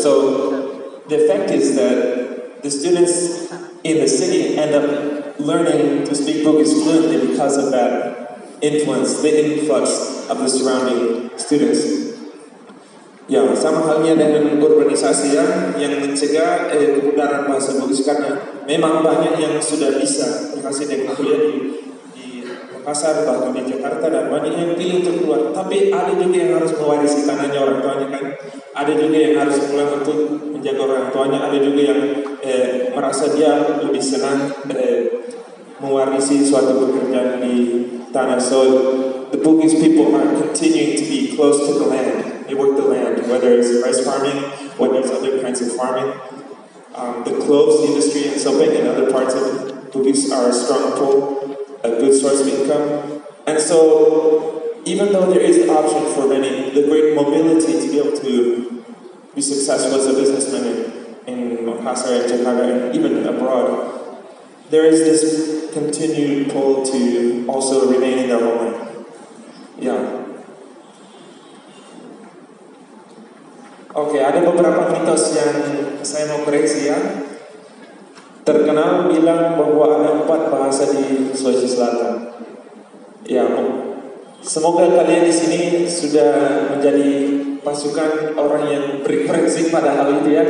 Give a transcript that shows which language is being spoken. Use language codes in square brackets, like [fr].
[en] So the effect is that the students in the city end up learning to speak Bugis fluently because of that influence, the influx of the surrounding students. [id] Ya, sama halnya dengan urbanisasi yang mencegah kepudaran bahasa Bugis, karena memang banyak yang sudah bisa berhasil dengan kuliah di Makassar, bahkan di Jakarta, dan banyak yang pilih untuk keluar. Tapi ada juga yang harus mewarisi tanahnya orang tuanya kan, ada juga yang harus pulang untuk menjaga orang tuanya, ada juga yang merasa dia lebih senang mewarisi suatu pekerjaan di tanah. [en] So, the Bugis people are continuing to be close to the land. They work the land, whether it's rice farming, whether it's other kinds of farming. the clothes industry and something in other parts of Bugis are a strong pull, a good source of income. And so even though there is an option for many, the great mobility to be able to be successful as a businessman in Makassar and Jakarta and even abroad, there is this continued pull to also remain in their homeland. Yeah. [id] Oke, ada beberapa mitos yang saya mau koreksi ya. Terkenal bilang bahwa ada 4 bahasa di Sulawesi Selatan. Ya, semoga kalian di sini sudah menjadi pasukan orang yang berprinsip pada hal itu ya.